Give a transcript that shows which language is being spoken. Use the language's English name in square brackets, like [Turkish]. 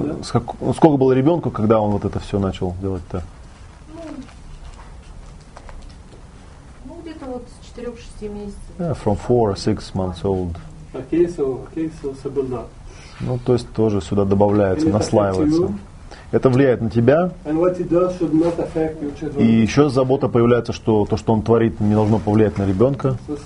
[Russian] Сколько было ребенку, когда он вот это все начал делать-то? Ну, где-то вот с 4-6 месяцев. [English] Yeah, from 4-6 months old. Okay, so. [Russian] Ну, то есть тоже сюда добавляется, наслаивается. Это влияет на тебя. [English] And what he does should not affect your children. [Russian] И еще забота появляется, что то, что он творит, не должно повлиять на ребенка.